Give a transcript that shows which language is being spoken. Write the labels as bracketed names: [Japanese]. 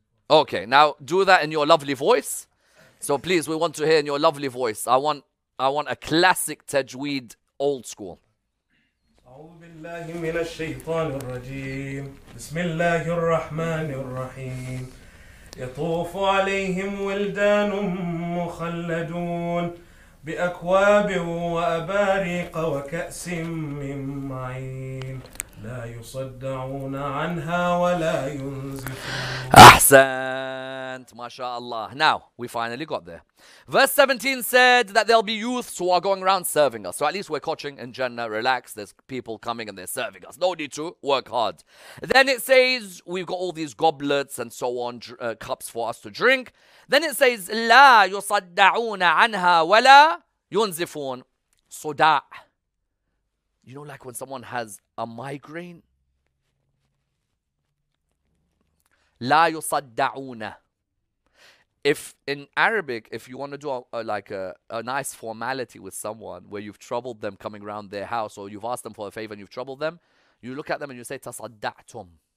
[English] Okay, now do that in your lovely voice. So please, we want to hear in your lovely voice. I want a classic tajweed, old school. [Arabic] أعوذ بالله من الشيطان الرجيم بسم الله الرحمن الرحيم يطوف عليهم ولدان مخلدون بأكواب وأباريق وكأس من معين لا يصدعون عنها ولا ينزفون. أحسنت ما شاء الله. [English] Now we finally got there. Verse 17 said that there'll be youths who are going around serving us. So at least we're coaching in Jannah. Relax, there's people coming and they're serving us. No need to work hard. Then it says we've got all these goblets and so on, cups for us to drink. Then it says [Arabic] لا يصدعون عنها ولا ينزفون. صداع. [English] You know, like when someone has a migraine. [Arabic] لا يصدعون. [English] If in Arabic, if you want to do a nice formality with someone where you've troubled them coming around their house, or you've asked them for a favor and you've troubled them, you look at them and you say تصدعتم.